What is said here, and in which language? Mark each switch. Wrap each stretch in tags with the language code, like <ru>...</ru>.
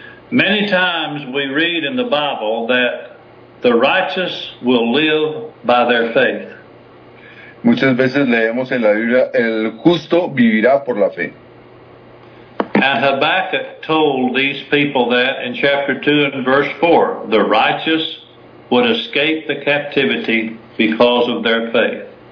<en>Many times we read in the Bible that the righteous will live by their faith.</en> <es>Muchas veces leemos en la Biblia, el justo vivirá por la fe.</es> <en>And Habakkuk told these people that in chapter 2 and verse 4, the righteous would escape the captivity because of their faith.</en>